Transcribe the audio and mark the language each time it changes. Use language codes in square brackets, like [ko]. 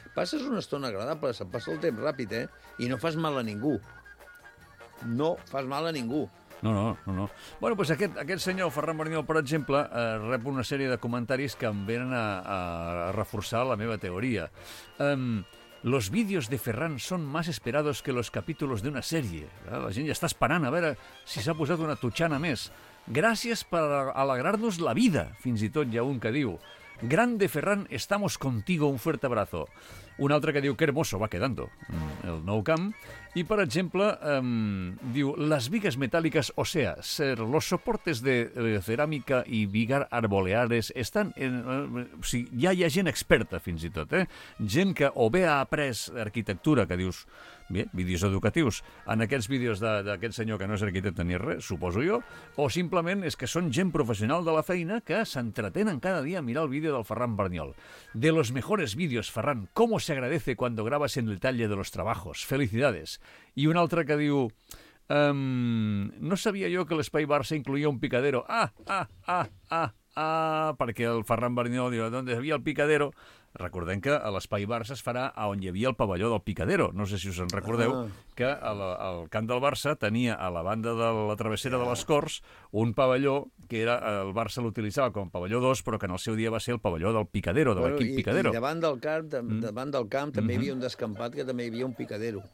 [ca] Passes una estona agradable, se'n passa el temps ràpid, I no fas mal a ningú. No fas mal a ningú. No. Bueno, doncs aquest senyor, Ferran Berniol, per exemple, rep una sèrie de comentaris que em venen a reforçar la meva teoria. [es] Los vídeos de Ferran son más esperados que los capítulos de una serie. [ca] La gent ja està esperant a veure si s'ha posat una tutxana més. Gràcies per alegrar-nos la vida, fins i tot hi ha un que diu. [es] Grande Ferran, estamos contigo, un fuerte abrazo. [ca] Un altre que diu [es] que hermoso va quedando el Nou Camp. [ca] I, per exemple, diu les vigues metàl·liques, o sea, ser los soportes de ceràmica i vigar arboleares estan... ja hi ha gent experta, fins i tot, Gent que o bé ha après arquitectura, que dius, bé, vídeos educatius, en aquests vídeos d'aquest senyor que no és arquitecte ni res, suposo jo, o simplement és que són gent professional de la feina que s'entretenen cada dia a mirar el vídeo del Ferran Berniol. [es] De los mejores vídeos, Ferran, ¿cómo se agradece cuando grabas en el talle de los trabajos? Felicidades. [ca] I un altre que diu... no sabia jo que l'Espai Barça incluía un picadero. Perquè el Ferran Berniol diu, [es] ¿dónde había el picadero? [ca] Recordem que a l'Espai Barça es farà a on hi havia el pavelló del Picadero. No sé si us en recordeu, que el camp del Barça tenia a la banda de la travessera de les Corts un pavelló que era el Barça l'utilitzava com a pavelló 2, però que en el seu dia va ser el pavelló del Picadero, de l'equip Picadero. I davant del camp, també hi havia un descampat que també hi havia un Picadero.